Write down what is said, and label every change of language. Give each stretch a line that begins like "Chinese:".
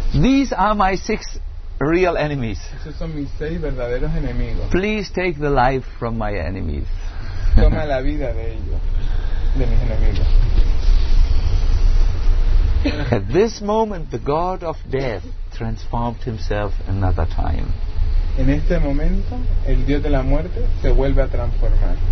English: These are my six real enemies.
Spanish: Esos son mis seis verdaderos enemigos.
English: Please take the life from my enemies.
Spanish: Toma la vida de ellos, de mis enemigos.
English: At this moment, the god of death transformed himself another time.
Spanish: En este momento, el dios de la muerte se vuelve a transformar.